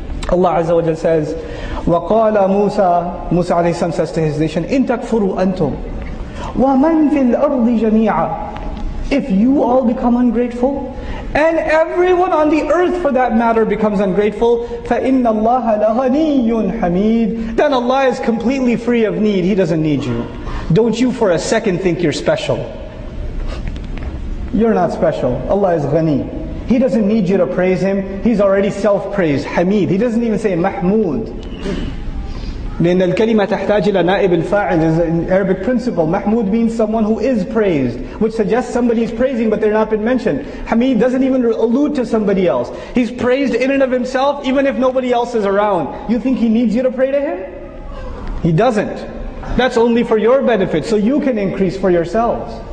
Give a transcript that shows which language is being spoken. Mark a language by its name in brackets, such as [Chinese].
[English] Allah Azza wa Jal says, [Arabic] وَقَالَ مُوسَى, [English] Musa alayhi salam says to his nation, [Arabic] إِن تَكْفُرُوا أَنْتُمْ وَمَنْ فِي الْأَرْضِ جَمِيعًا, [English] if you all become ungrateful, and everyone on the earth for that matter becomes ungrateful, [Arabic] فَإِنَّ اللَّهَ لَغَنِيٌّ حَمِيدٌ, [English] then Allah is completely free of need. He doesn't need you. Don't you for a second think you're special. You're not special. Allah is ghani. He doesn't need you to praise Him. He's already self-praised. Hamid. He doesn't even say Mahmood. [Arabic] لِأَنَّ الْكَلِمَةَ تَحْتَاجِ إِلَى نَائِبِ الْفَاعِلِ [English] is an Arabic principle. Mahmood means someone who is praised, which suggests somebody is praising but they're not been mentioned. Hamid doesn't even allude to somebody else. He's praised in and of himself even if nobody else is around. You think he needs you to pray to him? He doesn't. That's only for your benefit, so you can increase for yourselves.